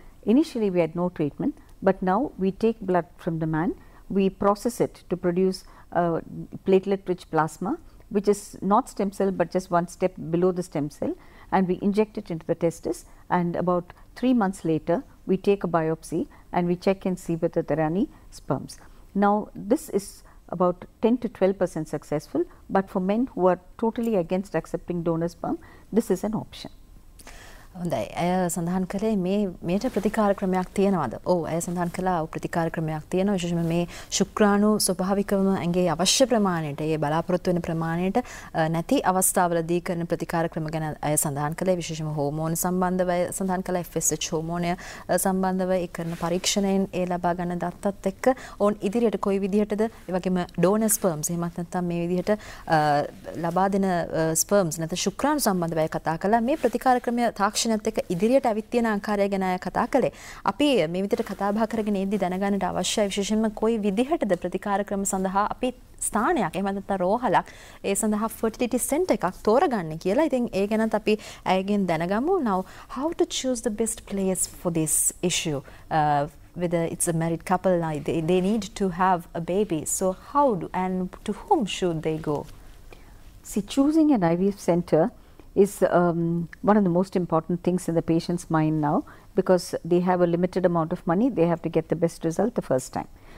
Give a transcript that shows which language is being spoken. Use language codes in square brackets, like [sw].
[en] Initially, we had no treatment, but now we take blood from the man, we process it to produce platelet-rich plasma, which is not stem cell but just one step below the stem cell, and we inject it into the testis, and about 3 months later, we take a biopsy and we check and see whether there are any sperms. Now, this is about 10 to 12% successful, but for men who are totally against accepting donor sperm, this is an option. [si] හොඳයි. අය සඳහන් කළේ මේ මේට ප්‍රතිකාර ක්‍රමයක් තියෙනවද? ඔව්, අය සඳහන් කළා ඔව් ප්‍රතිකාර ක්‍රමයක් තියෙනවා. විශේෂයෙන්ම මේ ශුක්‍රාණු ස්වභාවිකවම ඇඟේ අවශ්‍ය ප්‍රමාණයට, ඒ බලාපොරොත්තු වෙන ප්‍රමාණයට නැති අවස්ථාවලදී කරන ප්‍රතිකාර ක්‍රම ගැන අය සඳහන් කළේ. විශේෂයෙන්ම හෝමෝන සම්බන්ධව සඳහන් කළා, FSH හෝමෝනය සම්බන්ධව ඒ කරන පරීක්ෂණයෙන් ඒ ලබා ගන්න දත්තත් එක්ක ඔවුන් ඉදිරියට කොයි විදිහටද ඒ වගේම ඩෝනර් ස්පර්ම්ස් එහෙමත් නැත්නම් මේ විදිහට ලබා දෙන ස්පර්ම්ස් නැත්නම් ශුක්‍රාණු සම්බන්ධව අය කතා කළා. මේ ප්‍රතිකාර ක්‍රමය ක්ෂණත්ක ඉදිරියට ඇවිත් තියෙන ආකාරය ගැන අය කතා කළේ. අපි මේ විදිහට කතා බහ කරගෙන ඉදදී දැනගන්නට අවශ්‍යයි විශේෂයෙන්ම කොයි විදිහටද ප්‍රතිකාර ක්‍රම සඳහා අපි ස්ථානයක් එහෙම නැත්නම් රෝහලක් ඒ සඳහා ෆර්ටිලිටි සෙන්ටර් එකක් තෝරගන්නේ කියලා. ඉතින් ඒ ගැනත් අපි ඇයගෙන් දැනගමු. [en] Now how to choose the best place for this issue whether it's a married couple, like they need to have a baby, so how do, and to whom should they go? See, choosing an IVF center is one of the most important things in the patient's mind now, because they have a limited amount of money, they have to get the best result the first time.